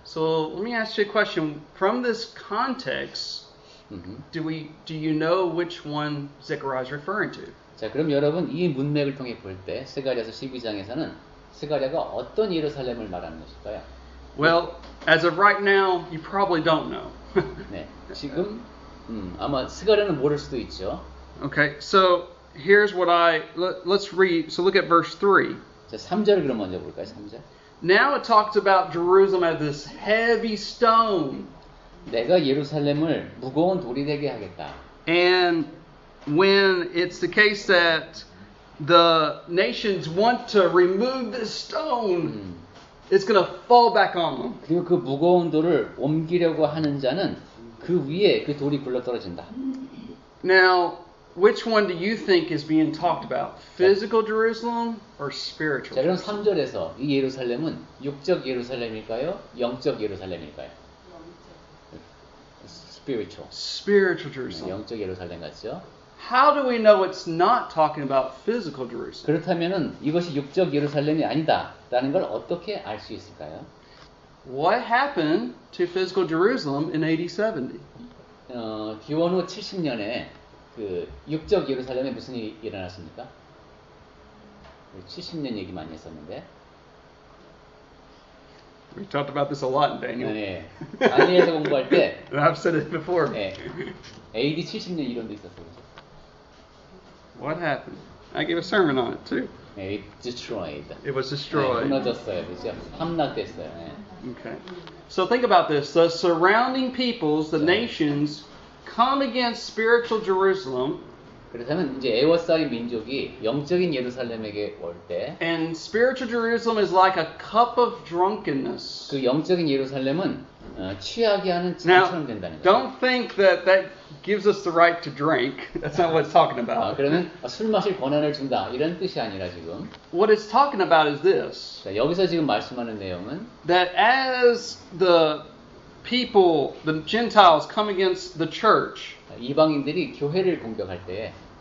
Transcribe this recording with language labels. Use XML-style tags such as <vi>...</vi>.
<en>So let me ask you a question. From this context, do you know which one Zechariah is referring to?</en> <ko>자, 그럼 여러분 이 문맥을 통해 볼 때 스가랴서 12장에서는 스가랴가 어떤 예루살렘을 말하는 것일까요?</ko> <en>Well, as of right now, you probably don't know.</en> <ko>네, 지금 아마 스가랴는 모를 수도 있죠.</ko> <en>Okay, so. Here's what I let's read. So look at verse 3.</en> <ko>자, 3절을 그럼 먼저 볼까요? 3절.</ko> <en>Now it talks about Jerusalem as this heavy stone.</en> <ko>내가 예루살렘을 무거운 돌이 되게 하겠다.</ko> <en>And when it's the case that the nations want to remove this stone, it's going to fall back on them.</en> <ko>그리고 그 무거운 돌을 옮기려고 하는 자는 그 위에 그 돌이 굴러떨어진다.</ko> <en>Now Which one do you think is being talked about? Physical Jerusalem or spiritual?</en> <ko>자, 그럼 3절에서 이 예루살렘은 육적 예루살렘일까요? 영적 예루살렘일까요?</ko> <en>Spiritual. Spiritual Jerusalem.</en> <ko>네, 영적 예루살렘 같죠?</ko> <en>How do we know it's not talking about physical Jerusalem?</en> <ko>그렇다면은 이것이 육적 예루살렘이 아니다라는 걸 어떻게 알 수 있을까요?</ko> <en>What happened to physical Jerusalem in AD 70?</en> <ko>기원 후 70년에 그 육적 예루살렘에 무슨 일이 일어났습니까? 70년 얘기 많이 했었는데.</ko> <en>We talked about this a lot in Daniel.</en> <ko>네, 다니엘서 공부할 때.</ko> <en>I've said it before.</en> <ko>네, AD 70년 이론도 있었어요.</ko> <en>What happened? I gave a sermon on it too. It destroyed. It was destroyed.</en> <ko>네, 무너졌어요, 그렇죠? 함락됐어요. 네.</ko> <en>Okay. So think about this: the surrounding peoples, the nations. Come against spiritual Jerusalem.</en> <ko>그렇다면 이제 에워사의 민족이 영적인 예루살렘에게 올 때.</ko> <en>And spiritual Jerusalem is like a cup of drunkenness.</en> <ko>그 영적인 예루살렘은 취하게 하는 잔처럼 된다는 거죠.</ko> <en>Don't think that gives us the right to drink. That's not what it's talking about.</en> <ko>그러면 술 마실 권한을 준다 이런 뜻이 아니라 지금.</ko> <en>What it's talking about is this.</en> <ko>자, 여기서 지금 말씀하는 내용은.</ko> <en>That as the People, the Gentiles come against the church.</en> <ko>이방인들이 교회를 공격할 때,</ko>